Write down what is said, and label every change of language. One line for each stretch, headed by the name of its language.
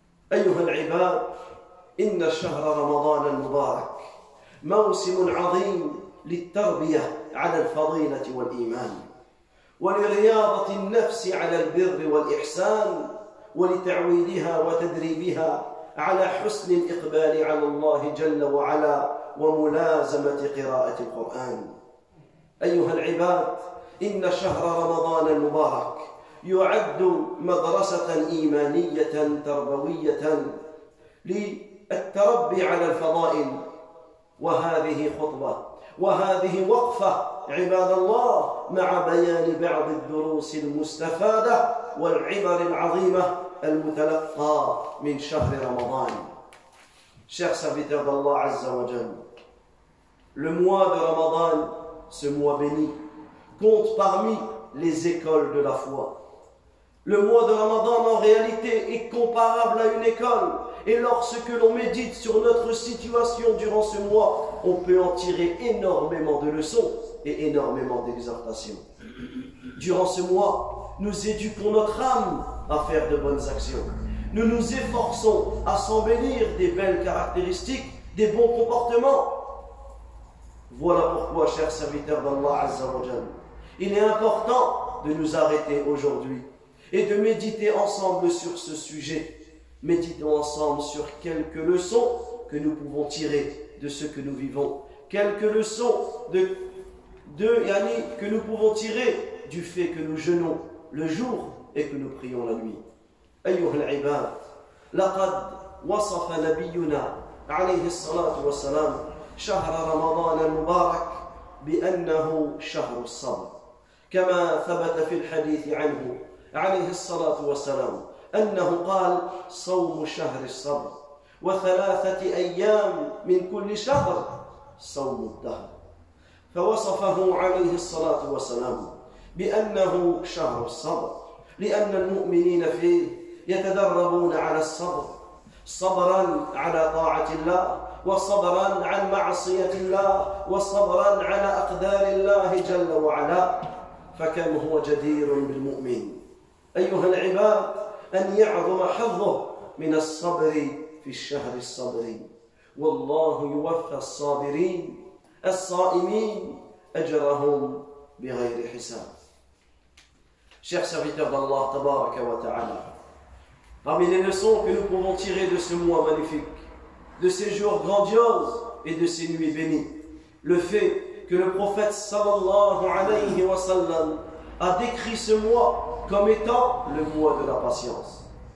Arabic: Ayyuhal ibad, inna shahr Ramadan al-mubarak, mawsimun azim lit-tarbiyah 'ala al-fadilati wal-iman, wa li-riyadati an-nafs 'ala al-birr wal-ihsan, wa li-ta'wilha wa tadribiha على حسن الإقبال على الله جل وعلا وملازمة قراءة القرآن. أيها العباد، إن شهر رمضان المبارك يعد مدرسة إيمانية تربوية للتربي على الفضائل. وهذه خطبة وهذه وقفة عباد الله مع بيان بعض الدروس المستفادة والعبر العظيمة المتلقى من شهر رمضان. شيخ سبيت الله عز وجل.
French: Le mois de Ramadan, ce mois béni, compte parmi les écoles de la foi. Le mois de Ramadan, en réalité, est comparable à une école. Et lorsque l'on médite sur notre situation durant ce mois, on peut en tirer énormément de leçons et énormément d'exhortations. Durant ce mois, nous éduquons notre âme à faire de bonnes actions. Nous nous efforçons à s'embellir des belles caractéristiques, des bons comportements. Voilà pourquoi, chers serviteurs d'Allah Azza wa Jal, il est important de nous arrêter aujourd'hui et de méditer ensemble sur ce sujet. Méditons ensemble sur quelques leçons que nous pouvons tirer de ce que nous vivons. Quelques leçons que nous pouvons tirer du fait que nous jeûnons le jour et que nous prions la nuit.
Arabic: أيها العباد، لقد وصف نبينا عليه الصلاة والسلام شهر رمضان المبارك بأنه شهر الصبر، كما ثبت في الحديث عنه عليه الصلاة والسلام أنه قال: صوم شهر الصبر وثلاثة أيام من كل شهر صوم الدهر. فوصفه عليه الصلاة والسلام بأنه شهر الصبر لأن المؤمنين فيه يتدربون على الصبر، صبرا على طاعة الله وصبرا عن معصية الله وصبرا على أقدار الله جل وعلا. فكم هو جدير بالمؤمن أيها العباد أن يعظم حظه من الصبر في الشهر الصبري. والله يوفى الصابرين الصائمين أجرهم بغير حساب.
French: Chers serviteurs d'Allah, tabaraka wa ta'ala, parmi les leçons que nous pouvons tirer de ce mois magnifique, de ces jours grandioses et de ces nuits bénies, le fait que le prophète sallallahu alayhi wa sallam a décrit ce mois comme étant le mois de la patience.